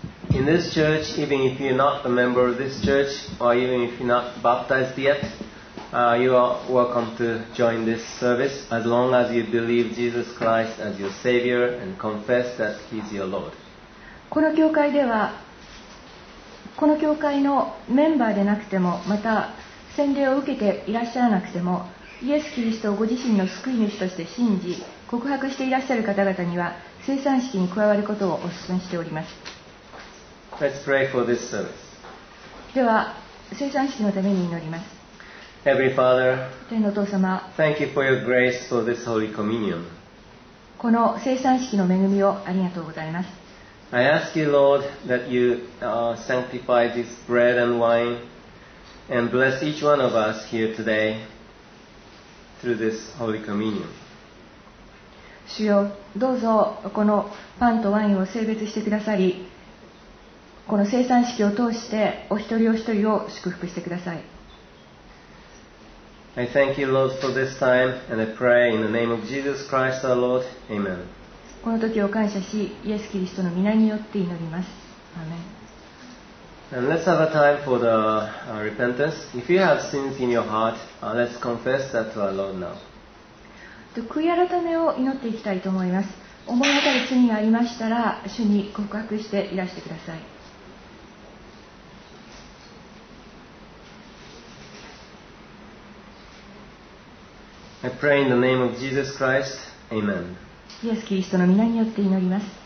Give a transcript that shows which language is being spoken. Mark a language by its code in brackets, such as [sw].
[en] In this church, even if you're not a member of this church, or even if you're not baptized yet, you are welcome to join this service as long as you believe Jesus Christ as your Savior and confess that He's your Lord. [ja] この教会では、この教会のメンバーでなくても、また洗礼を受けていらっしゃらなくても、イエス・キリストをご自身の救い主として信じ、告白していらっしゃる方々には、聖餐式に加わることをお勧めしております。 [en] Let's pray for this service. [ja] では、聖餐式のために祈ります。 [en] Heavenly Father, [ja] 天のお父様、 [en] Thank you for your grace for this Holy Communion. [ja] この聖餐式の恵みをありがとうございます。 [en] I ask you, Lord, that you sanctify this bread and wine and bless each one of us here today through this Holy Communion. [ja] 主よ、どうぞこのパンとワインを聖別してくださり、この聖餐式を通してお一人お一人を祝福してください。 [en] I thank you, Lord, for this time, and I pray in the name of Jesus Christ, our Lord. Amen. [ja] この時を感謝し、イエス・キリストの御名によって祈ります。アメン。 [en] And let's have a time for the repentance. If you have sins in your heart, let's confess that to our Lord now. [ja] と悔い改めを祈っていきたいと思います。思い当たる罪がありましたら、主に告白していらしてください。 [en] I pray in the name of Jesus Christ. Amen. [ja] イエス・キリストの御名によって祈ります。